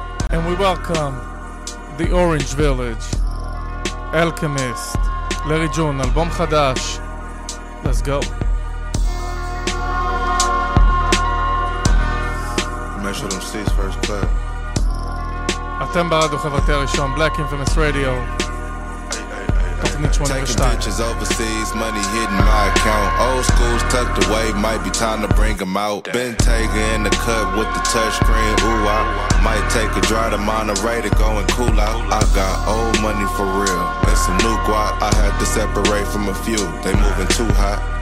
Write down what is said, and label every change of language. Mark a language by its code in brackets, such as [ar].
[en] And we welcome the Orange Village, Alchemist, Larry June, album חדש. Let's go. Metro them seats, first clip. [he] אתם ברדיו חברתי הראשון, Black Infamous Radio. [en] Bitches overseas, money hitting my account. Old school's tucked away, might be time to bring them out. Been taking in the cut with the touchscreen. Ooh, I might take a drive to Monterey to go and cool out. I got old money for real, and some new guap. I had to separate from a few, they moving too hot.